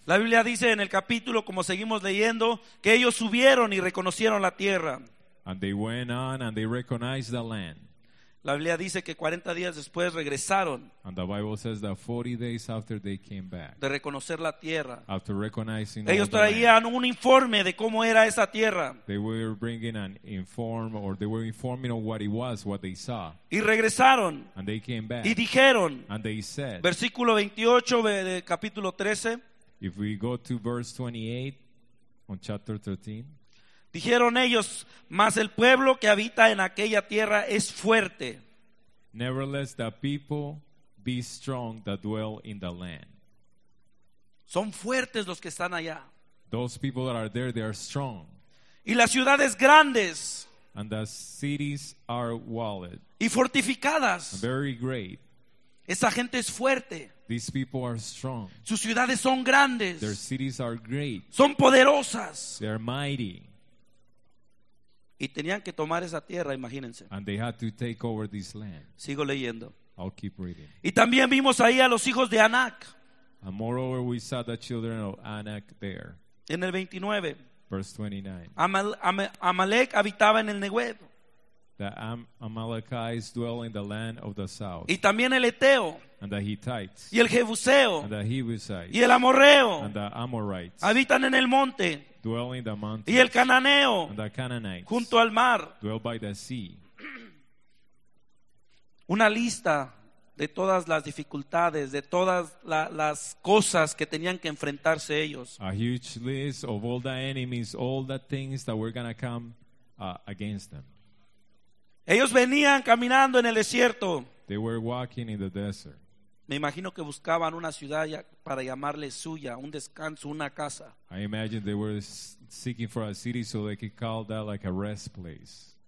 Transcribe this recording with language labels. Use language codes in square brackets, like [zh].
[es] La Biblia dice en el capítulo, como seguimos leyendo, que ellos subieron y reconocieron la tierra. [en] And they went on and they recognized the land. [es] La Biblia dice que 40 días después regresaron. [en] And the Bible says that 40 days after they came back. [es] De reconocer la tierra. [en] After recognizing [es] ellos traían un informe de cómo era esa tierra. [en] They were bringing an inform or they were informing of what it was, what they saw. [es] Y regresaron. [en] And they came back. [es] Y dijeron. [en] And they said. [es] Versículo 28 de capítulo 13. [en] If we go to verse 28 on chapter 13. [es] Dijeron ellos, mas el pueblo que habita en aquella tierra es fuerte. [en] Nevertheless, the people be strong that dwell in the land. [es] Son fuertes los que están allá. [en] Those people that are there, they are strong. [es] Y las ciudades grandes. [en] And the cities are walled. [es] Y fortificadas. [en] Very great. [es] Esa gente es fuerte. [en] These people are strong. [es] Sus ciudades son grandes. [en] Their cities are great. [es] Son poderosas. [en] They are mighty. [es] Y tenían que tomar esa tierra, imagínense. [en] And they had to take over this land. [es] Sigo leyendo. [en] I'll keep reading. [es] Y también vimos ahí a los hijos de Anak. [en] And moreover, we saw the children of Anak there. [es] En el 29. [en] Verse 29. [es] Amalek habitaba en el Negev. [en] The Amalekites dwell in the land of the south. [es] Y también el Eteo. [en] And the Hittites. [es] Y el Jebuseo. [en] And the Jebusites. [es] Y el Amorreo. [en] And the Amorites. [es] Habitan en el monte. [en] Dwell in the mountains. [es] Y el Cananeo. [en] And the Canaanites. [es] Junto al mar. [en] Dwell by the sea. [es] Una lista de todas las dificultades, de todas las cosas que tenían que enfrentarse ellos. [en] A huge list of all the enemies, all the things that were going to come against them. [es] Ellos venían caminando en el desierto. [en] They were walking in the desert. [es] Me imagino que buscaban una ciudad para llamarle suya, un descanso, una casa. [en] I imagine they were seeking for a city so they could call that like a rest place.